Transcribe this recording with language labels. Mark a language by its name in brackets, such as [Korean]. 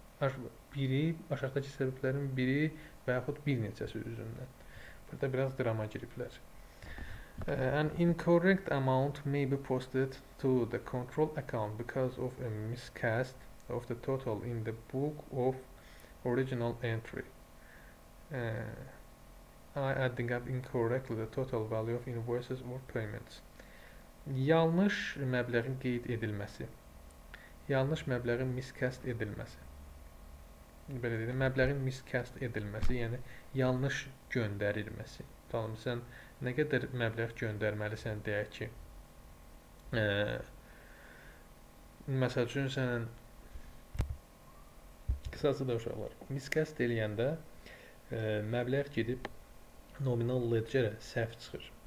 [Azerbaijani] Aşağıdakı səbəblərin biri və yaxud bir neçəsi üzündən. Burada biraz drama giriblər. [English] An incorrect amount may be posted to the control account because of a miscast of the total in the book of original entry. Adding up incorrectly the total value of invoices or payments. [Azerbaijani] Yanlış məbləğin qeyd edilməsi. Yanlış məbləğin miscast edilməsi. Belə deyim, məbləğin miscast edilməsi, yəni yanlış göndərilməsi. Tamam, sən nə qədər məbləğ göndərməlisən deyək ki, məsəl üçün sən qısası da uşaqlar, miscast eləyəndə məbləğ gedib nominal ledger-ə səhv çıxır.